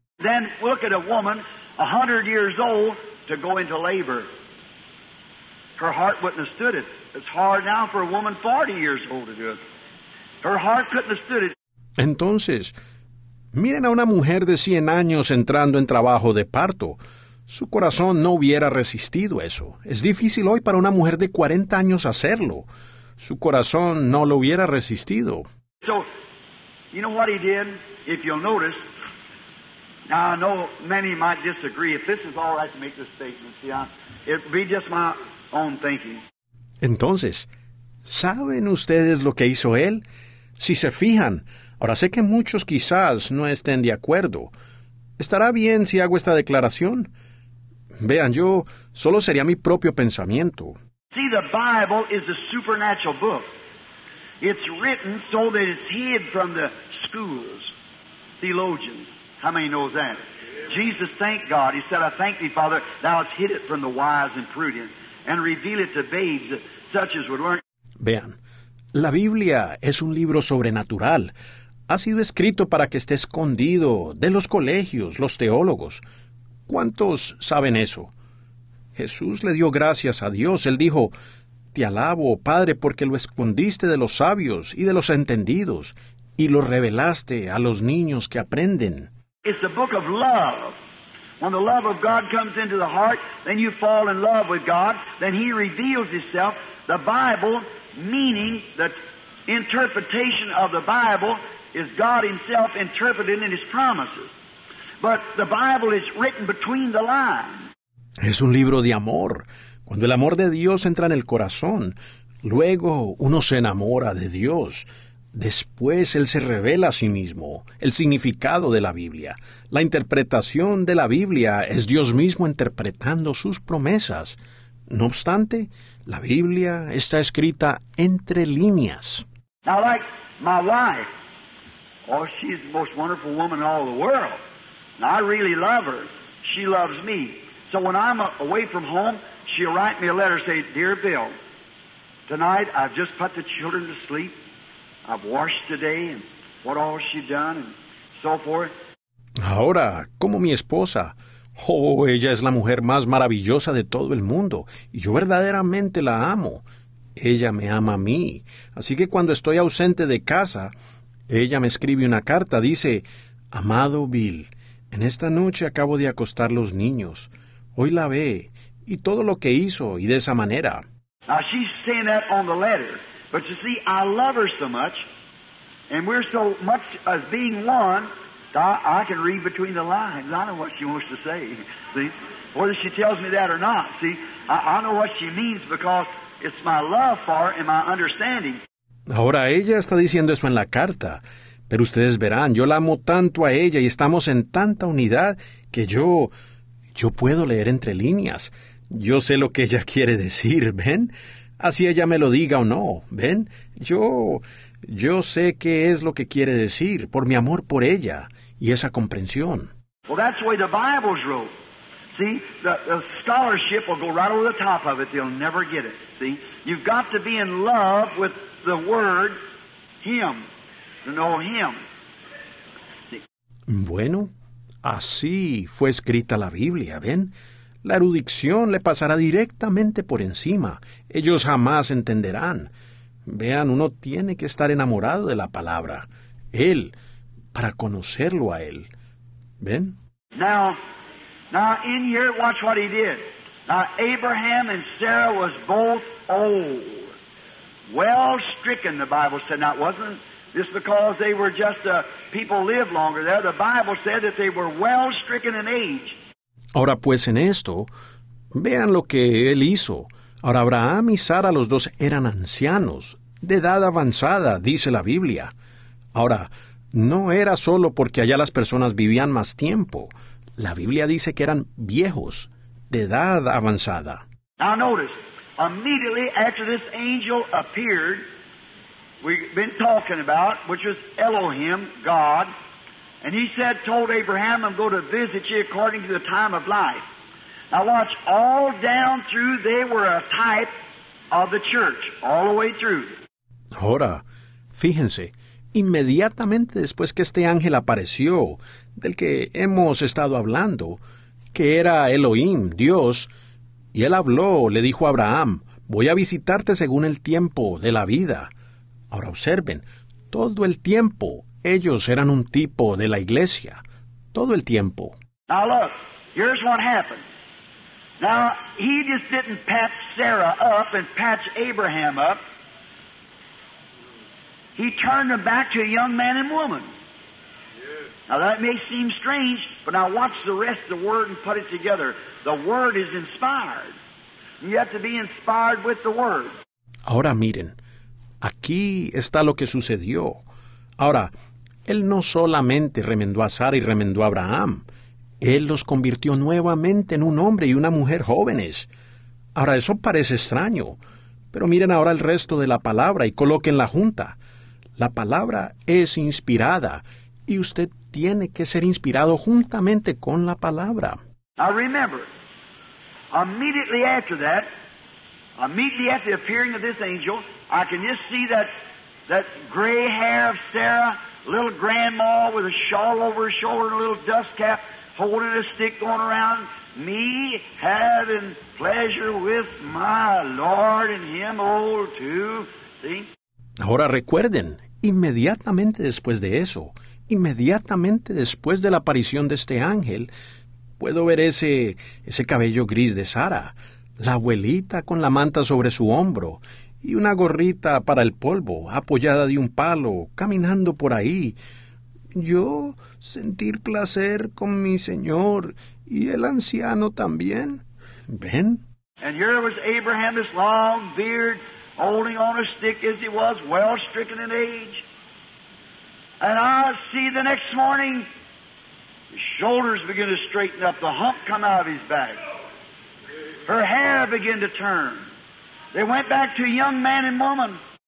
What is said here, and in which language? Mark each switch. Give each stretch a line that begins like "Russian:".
English: Then look at a woman 100 years old to go into labor. Her heart wouldn't have stood it. It's hard now for a woman 40 years old to do it. Her heart couldn't have stood it.
Spanish: Entonces, miren a una mujer de 100 años entrando en trabajo de parto. Su corazón no hubiera resistido eso. Es difícil hoy para una mujer de 40 años hacerlo. Su corazón no lo hubiera resistido.
English: So, you know what he did? If you'll notice, now I know many might disagree. If this is all right to make this statement, see, it would be just my own thinking.
Spanish: Entonces, ¿saben ustedes lo que hizo él? Si se fijan, ahora sé que muchos quizás no estén de acuerdo. ¿Estará bien si hago esta declaración? Vean, yo solo sería mi propio pensamiento.
English: See, the Bible is a supernatural book. It's written so that it's hid from the schools, theologians. How many know that? Jesus thanked God. He said, I thank thee, Father, thou hast hid it from the wise and prudent, and reveal it to babes such as would learn.
Spanish: Vean, la Biblia es un libro sobrenatural. Ha sido escrito para que esté escondido de los colegios, los teólogos. ¿Cuántos saben eso? Jesús le dio gracias a Dios. Él dijo, te alabo, Padre, porque lo escondiste de los sabios y de los entendidos, y lo revelaste a los niños que aprenden.
English: It's the book of love. When the love of God comes into the heart, then you fall in love with God, then he reveals himself. The Bible, meaning the interpretation of the Bible, is God himself interpreting in his promises. But the Bible is written between the lines.
Spanish: Es un libro de amor. Cuando el amor de Dios entra en el corazón, luego uno se enamora de Dios. Después Él se revela a sí mismo, el significado de la Biblia. La interpretación de la Biblia es Dios mismo interpretando sus promesas. No obstante, la Biblia está escrita entre líneas.
English: Now, like my wife, oh, she's the most wonderful woman in all the world. And I really love her. She loves me. So when I'm away from home, she'll write me a letter, say, Dear Bill, tonight I've just put the children to sleep. I've washed today and what all she done and so forth.
Spanish: Ahora, como mi esposa. Oh, ella es la mujer más maravillosa de todo el mundo. Y yo verdaderamente la amo. Ella me ama a mí. Así que cuando estoy ausente de casa, ella me escribe una carta. Dice, Amado Bill, en esta noche acabo de acostar los niños. Hoy la ve. Y todo lo que hizo, y de esa manera.
English: Now she's saying that on the letter. But you see, I love her so much. And we're so much as being one. I can read between the lines. I know what she wants to say. See, whether she tells me that or not. See, I know what she means because it's my love for her and my understanding.
Spanish: Ahora ella está diciendo eso en la carta, pero ustedes verán, yo la amo tanto a ella y estamos en tanta unidad que yo puedo leer entre líneas. Yo sé lo que ella quiere decir, ¿ven? Así ella me lo diga o no, ¿ven? Yo sé qué es lo que quiere decir por mi amor por ella y esa comprensión.
English: Well, that's the way the Bible's wrote. See, the scholarship will go right over the top of it. They'll never get it. See, you've got to be in love with the word, him, to know him.
Spanish: Bueno, así fue escrita la Biblia, ¿ven? La erudición le pasará directamente por encima. Ellos jamás entenderán. Vean, uno tiene que estar enamorado de la palabra, Él, para conocerlo a Él. ¿Ven?
English: Now, in here, watch what he did. Now, Abraham and Sarah was both old. Well stricken, the Bible said. Now, it wasn't just because they were just people lived longer there. The Bible said that they were well stricken in age.
Spanish: Ahora, pues, en esto, vean lo que Él hizo. Ahora, Abraham y Sara, los dos eran ancianos, de edad avanzada, dice la Biblia. Ahora, no era solo porque allá las personas vivían más tiempo. La Biblia dice que eran viejos, de edad avanzada.
English: Now notice, immediately after this angel appeared, we've been talking about, which was Elohim, God, and he said, told Abraham, I'm going to visit you according to the time of life. Now watch, all down through, they were a type of the church, all the way through.
Spanish: Ahora, fíjense, inmediatamente después que este ángel apareció, del que hemos estado hablando, que era Elohim, Dios, y él habló, le dijo a Abraham, voy a visitarte según el tiempo de la vida. Ahora observen, todo el tiempo, ellos eran un tipo de la iglesia, todo el tiempo.
English: Now look, here's what happened. Now, he just didn't patch Sarah up and patch Abraham up. He turned them back to a young man and woman. Yes. Now, that may seem strange, but now watch the rest of the Word and put it together. The Word is inspired. You have to be inspired with the Word.
Spanish: Ahora miren, aquí está lo que sucedió. Ahora, él no solamente remendó a Sara y remendó a Abraham. Él los convirtió nuevamente en un hombre y una mujer jóvenes. Ahora, eso parece extraño, pero miren ahora el resto de la palabra y colóquenla junta. La palabra es inspirada, y usted tiene que ser inspirado juntamente con la palabra.
English: Now remember, immediately after that, immediately after the appearing of this angel, I can just see that gray hair of Sarah, little grandma with a shawl over her shoulder and a little dust cap, holding a stick going around, me having pleasure with my Lord and him old too. See?
Spanish: Ahora recuerden, inmediatamente después de eso, inmediatamente después de la aparición de este ángel, puedo ver ese cabello gris de Sara, la abuelita con la manta sobre su hombro, y una gorrita para el polvo, apoyada de un palo, caminando por ahí. Yo sentir placer con mi señor y el anciano también. ¿Ven?
English: And here was Abraham, his long beard, holding on a stick as he was, well stricken in age. And I see the next morning, his shoulders begin to straighten up, the hump come out of his back. Her hair began to turn. They went back to a young man and woman.